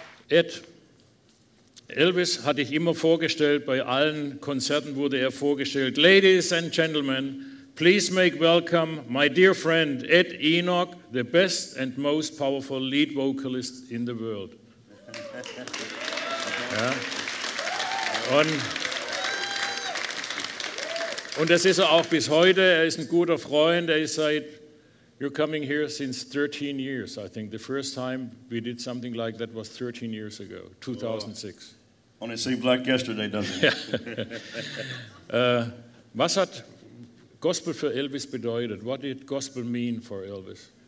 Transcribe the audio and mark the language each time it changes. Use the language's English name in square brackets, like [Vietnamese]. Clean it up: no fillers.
[German] Ed, Elvis hatte ich immer vorgestellt, bei allen Konzerten wurde er vorgestellt. [English] Ladies and gentlemen, please make welcome my dear friend Ed Enoch, the best and most powerful lead vocalist in the world. [German] Ja. Und das ist er auch bis heute, er ist ein guter Freund, er ist seit... [English] You're coming here since 13 years, I think. The first time we did something like that was 13 years ago, 2006. Oh, only seems like yesterday, doesn't it? [German] Was hat Gospel für Elvis bedeutet? [English] What did Gospel mean for Elvis?